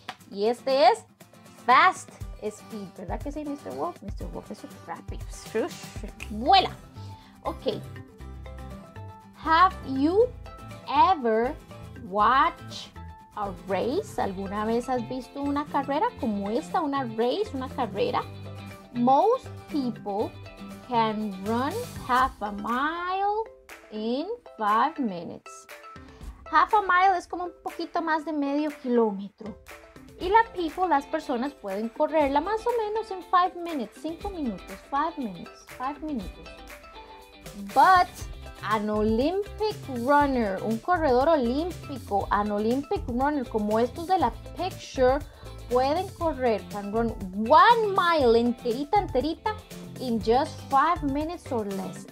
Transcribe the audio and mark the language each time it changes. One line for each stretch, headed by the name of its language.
Spanish: Y este es fast speed, ¿verdad que sí, Mr. Wolf? Mr. Wolf es super rápido. ¡Vuela! Ok.
English: ¿Have you ever watched a race?
Spanish: ¿Alguna vez has visto una carrera como esta? ¿Una race? ¿Una carrera?
English: Most people can run half a mile in 5 minutes.
Spanish: Half a mile es como un poquito más de medio kilómetro. Y la people, las personas, pueden correrla más o menos en 5 minutes. 5 minutos. 5 minutes. 5 minutos.
English: But an Olympic runner,
Spanish: un corredor olímpico,
English: an Olympic runner,
Spanish: como estos de la
English: picture,
Spanish: pueden correr,
English: can run 1 mile
Spanish: enterita, enterita,
English: in just 5 minutes or less.